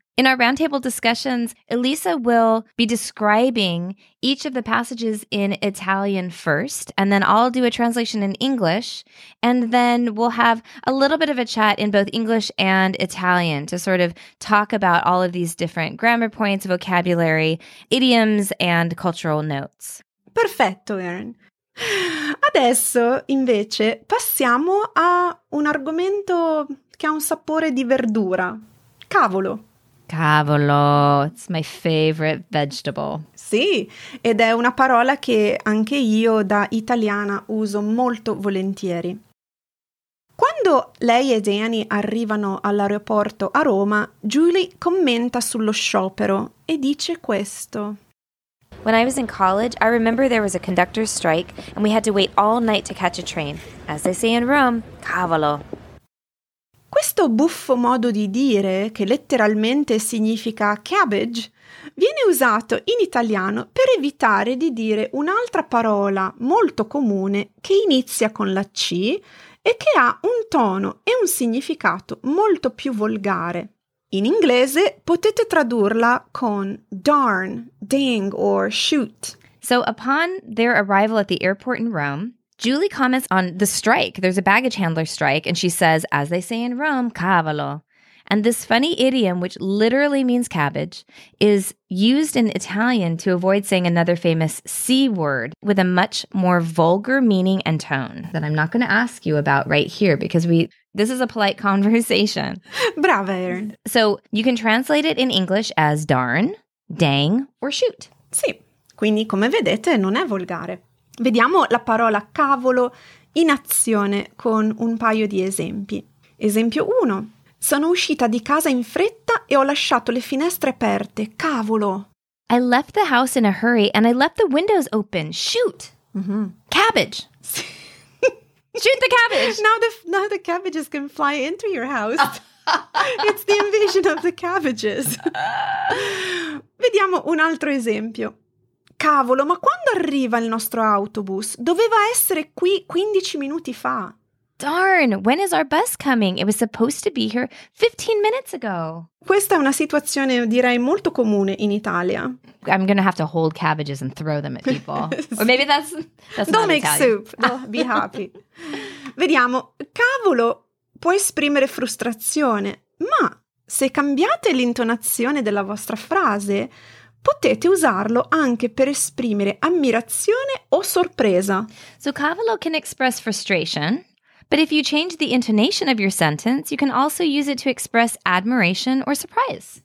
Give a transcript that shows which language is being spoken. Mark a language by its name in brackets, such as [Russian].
[English] In our roundtable discussions, Elisa will be describing each of the passages in Italian first, and then I'll do a translation in English, and then we'll have a little bit of a chat in both English and Italian to sort of talk about all of these different grammar points, vocabulary, idioms, and cultural notes. [Italian] Perfetto, Erin. Adesso, invece, passiamo a un argomento che ha un sapore di verdura. Cavolo. [English] Cavolo, it's my favorite vegetable. [Italian] Sì, ed è una parola che anche io da italiana uso molto volentieri. Quando lei e Danny arrivano all'aeroporto a Roma, Julie commenta sullo sciopero e dice questo. [English] When I was in college, I remember there was a conductor's strike and we had to wait all night to catch a train. As they say in Rome, cavolo. [Italian] Questo buffo modo di dire, che letteralmente significa cabbage, viene usato in italiano per evitare di dire un'altra parola molto comune che inizia con la C e che ha un tono e un significato molto più volgare. In inglese potete tradurla con [English] darn, dang, or shoot. So upon their arrival at the airport in Rome, Julie comments on the strike. There's a baggage handler strike, and she says, as they say in Rome, cavolo. And this funny idiom, which literally means cabbage, is used in Italian to avoid saying another famous C word with a much more vulgar meaning and tone that I'm not going to ask you about right here because this is a polite conversation. Brava, Erin. So you can translate it in English as darn, dang, or shoot. [Italian] Sì, quindi come vedete non è volgare. Vediamo la parola cavolo in azione con un paio di esempi. Esempio 1. Sono uscita di casa in fretta e ho lasciato le finestre aperte. Cavolo! [English] I left the house in a hurry and I left the windows open. Shoot! Mm-hmm. Cabbage! Shoot the cabbage! Now the cabbages can fly into your house. It's the invasion of the cabbages. [Italian] Vediamo un altro esempio. Cavolo, ma quando arriva il nostro autobus? Doveva essere qui 15 minuti fa. [English] Darn, when is our bus coming? It was supposed to be here 15 minutes ago. [Italian] Questa è una situazione, direi, molto comune in Italia. [English] I'm going to have to hold cabbages and throw them at people. Or maybe that's don't not make Italian. Soup. Be happy. [Italian] Vediamo. Cavolo può esprimere frustrazione, ma se cambiate l'intonazione della vostra frase, potete usarlo anche per esprimere ammirazione o sorpresa. [English] So cavolo can express frustration. But if you change the intonation of your sentence, you can also use it to express admiration or surprise.